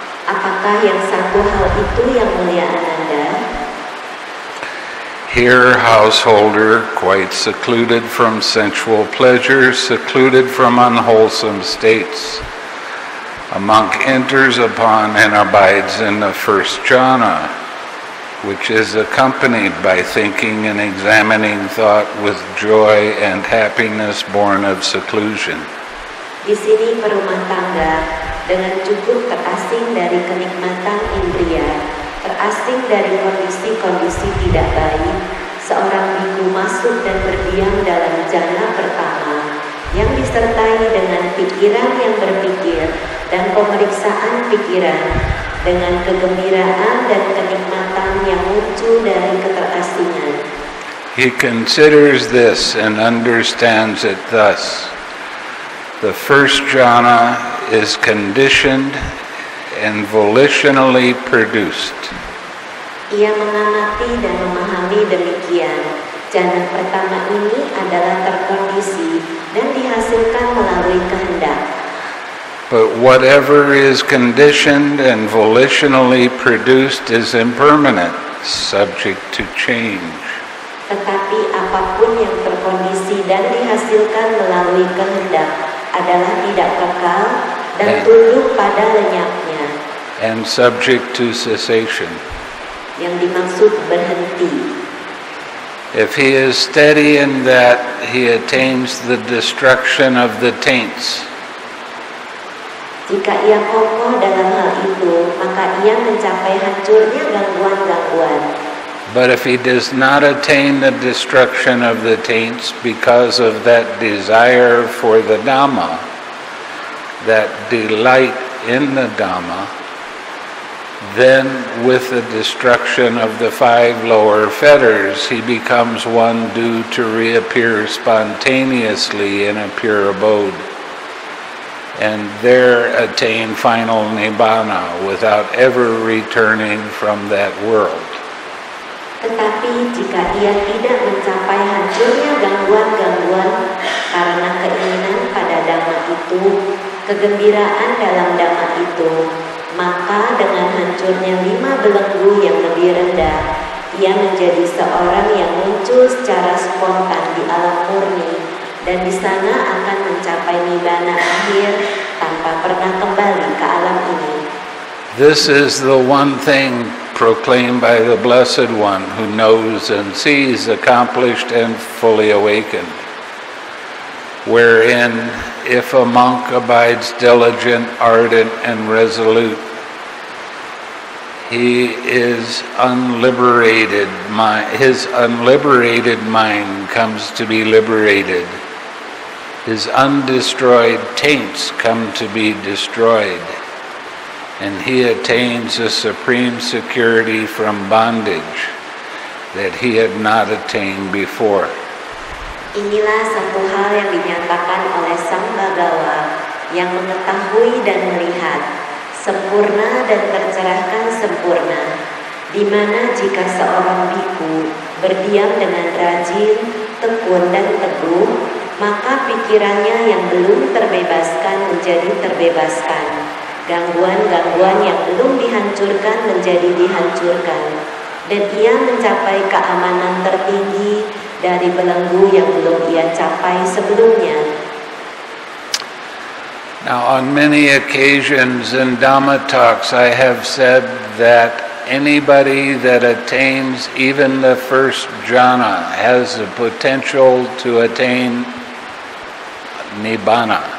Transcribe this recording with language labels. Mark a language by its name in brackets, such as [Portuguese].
[Indonesian] Apakah yang satu hal itu yang mulia Ananda? [English] "Here, householder, quite secluded from sensual pleasure, secluded from unwholesome states, a monk enters upon and abides in the first jhana, which is accompanied by thinking and examining thought with joy and happiness born of seclusion." [Indonesian] Di sini perumah tangga, dengan cukup terasing dari kenikmatan indria, terasing dari kondisi-kondisi tidak baik, seorang bhikkhu masuk dan berdiam dalam jhana pertama, yang disertai dengan pikiran yang berpikir dan pemeriksaan pikiran, dengan kegembiraan dan kenikmatan yang muncul dari keterasingan. [English] He considers this and understands it thus. The first jhana is conditioned and volitionally produced. [Indonesian] Ia mengamati dan memahami demikian. Jhana pertama ini adalah terkondisi dan dihasilkan melalui kehendak. [English] But whatever is conditioned and volitionally produced is impermanent, subject to change. [Indonesian] Tetapi apapun yang terkondisi dan dihasilkan melalui kehendak adalah tidak kekal dan tunduk pada lenyapnya. [English] And subject to cessation. [Indonesian] Yang dimaksud berhenti. [English] If he is steady in that, he attains the destruction of the taints. [Indonesian] Jika ia kokoh dalam hal itu, maka ia mencapai hancurnya gangguan-gangguan. [English] But if he does not attain the destruction of the taints because of that desire for the Dhamma, that delight in the Dhamma, then with the destruction of the five lower fetters, he becomes one due to reappear spontaneously in a pure abode, and there attain final Nibbana without ever returning from that world. [Indonesian] Tetapi jika ia tidak mencapai hancurnya gangguan-gangguan karena keinginan pada dhamma itu, kegembiraan dalam dhamma itu, maka dengan hancurnya lima belenggu yang lebih rendah, ia menjadi seorang yang muncul secara spontan di alam murni, dan di sana akan mencapai nibbana akhir tanpa pernah kembali ke alam ini. [English] This is the one thing proclaimed by the Blessed One who knows and sees, accomplished and fully awakened, wherein if a monk abides diligent, ardent and resolute, he is unliberated, his unliberated mind comes to be liberated, his undestroyed taints come to be destroyed, and he attains a supreme security from bondage that he had not attained before. [Indonesian] Inilah satu hal yang dinyatakan oleh Sang Bhagawa yang mengetahui dan melihat sempurna dan tercerahkan sempurna, di mana jika seorang bhikkhu berdiam dengan rajin, tekun dan teguh, maka pikirannya yang belum terbebaskan menjadi terbebaskan. Gangguan-gangguan yang belum dihancurkan menjadi dihancurkan, dan ia mencapai keamanan tertinggi dari belenggu yang belum ia capai sebelumnya. [English] Now, on many occasions in Dhamma talks, I have said that anybody that attains even the first jhana has the potential to attain Nibbana.